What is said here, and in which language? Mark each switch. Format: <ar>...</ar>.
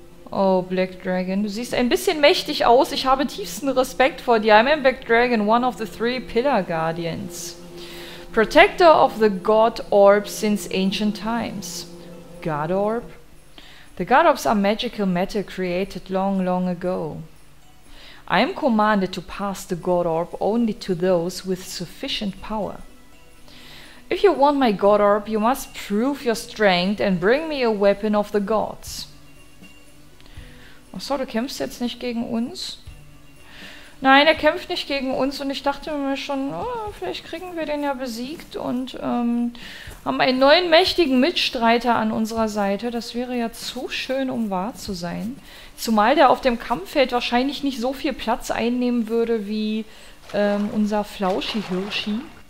<de>Oh, Black Dragon, du siehst ein bisschen mächtig aus. Ich habe tiefsten Respekt vor dir.</de> <en>I'm a Black Dragon, one of the three Pillar Guardians. Protector of the God Orb since ancient times. God Orb? The God Orbs are magical matter created long, long ago. I am commanded to pass the God Orb only to those with sufficient power. If you want my God Orb, you must prove your strength and bring me a weapon of the gods.</en> <de>Achso, du kämpfst jetzt nicht gegen uns? Nein, er kämpft nicht gegen uns und ich dachte mir schon, oh, vielleicht kriegen wir den ja besiegt und haben einen neuen mächtigen Mitstreiter an unserer Seite. Das wäre ja zu schön, um wahr zu sein. Zumal der auf dem Kampffeld wahrscheinlich nicht so viel Platz einnehmen würde wie unser Flauschi-Hirschi.</de>